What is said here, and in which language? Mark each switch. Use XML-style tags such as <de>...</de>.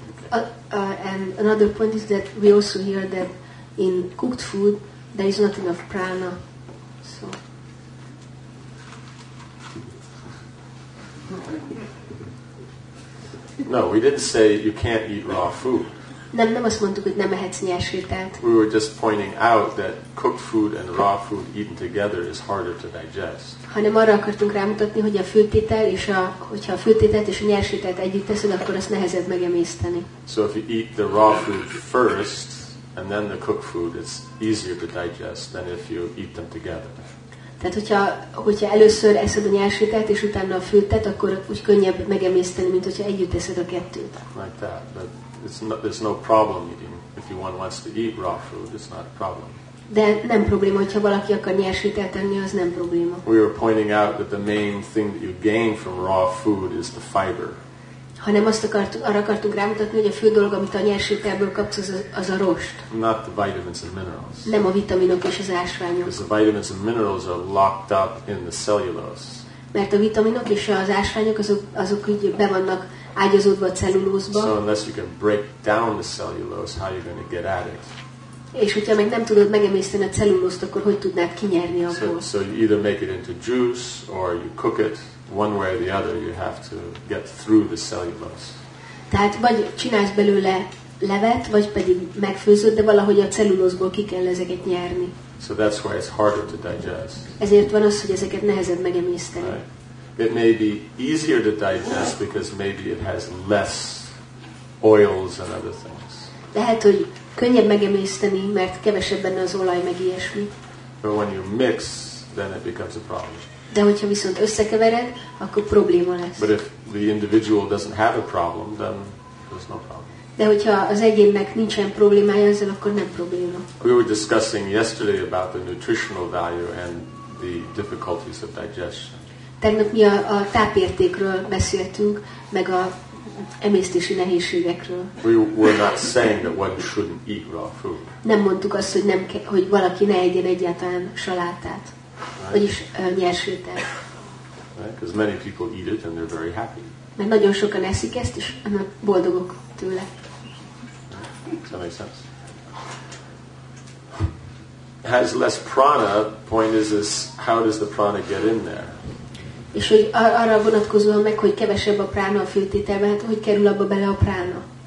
<en>And another point is that we also hear that in cooked food there is not enough prana. So no, we didn't say you can't eat raw food.</en> <hu>Nem azt mondtuk, hogy nem ehetsz nyers ételt.</hu> <en>We were just pointing out that cooked food and raw food eaten together is harder to digest.</en> <hu>Hanem arra akartunk rámutatni, hogy a főtétel és hogyha a főtételt és a nyers ételt együtt teszed, akkor azt nehezebb megemészteni.</hu> <en>So if you eat the raw food first and then the cooked food, it's easier to digest than if you eat them together.</en> <hu>Tehát hogyha először eszed a nyers ételt és utána a főttet, akkor úgy könnyebb megemészteni, mint hogyha együtt eszed a kettőt.</hu> <en>Like that, but there's no problem eating. If you want wants to eat raw food, it's not a problem.</en> <hu>De nem probléma, hogyha valaki akar nyers ételt enni, az nem probléma.</hu> <en>We were pointing out that the main thing that you gain from raw food is the fiber.</en> <hu>Hanem arra akartunk rámutatni, hogy a fő dolog, amit a nyers ételből kapsz, az a rost.</hu> <en>Not the vitamins and minerals.</en> <hu>Nem a vitaminok és az ásványok.</hu> <en>Because the vitamins and minerals are locked up in the cellulose.</en> <hu>Mert a vitaminok és az ásványok azok így be vannak ágyazódva a cellulózba.</hu> <en>So unless you can break down the cellulose, how are you going to get at it?</en> <hu>És hogyha még nem tudod megemészteni a cellulózt, akkor hogy tudnád kinyerni abból?</hu> <en>So you either make it into juice or you cook it. One way or the other, you have to get through the cellulose.</en> <hu>Tehát vagy csinálsz belőle levet, vagy pedig megfőzöd, de valahogy a cellulózból ki kell ezeket nyerni.</hu> <en>So that's why it's harder to digest.</en> <hu>Ezért van az, hogy ezeket nehezebb megemészteni.</hu> <en>Right. It may be easier to digest because maybe it has less oils and other things.</en> <hu>Lehet, hogy könnyebb megemészteni, mert kevesebb benne az olaj meg ilyesmi.</hu> <en>But when you mix, then it becomes a problem.</en> <hu>De hogyha viszont összekevered, akkor probléma lesz.</hu> <en>But if the individual doesn't have a problem, then there's no problem.</en> <hu>De hogyha az egyénnek nincsen problémája ezzel, akkor nem probléma.</hu> <en>We were discussing yesterday about the nutritional value and the difficulties of digestion.</en> <hu>Tegnap mi a tápértékről beszéltünk, meg a emésztési nehézségekről.</hu> <en>We were not saying that one shouldn't eat raw food.</en> <hu>Nem mondtuk azt, hogy nem hogy valaki ne egyen egyáltalán salátát, vagyis nyersültet.</hu> <en>Because many people eat it and they're very happy.</en> <hu>Mert nagyon sokan eszik ezt, és boldogok tőle.</hu> <en>Does that make sense? Has less prana, point is how does the prana get in there?</en> <hu>És hogy arra vonatkozóan meg, hogy kevesebb a prána a főtételben, hát hogy kerül abba bele a prána?</hu>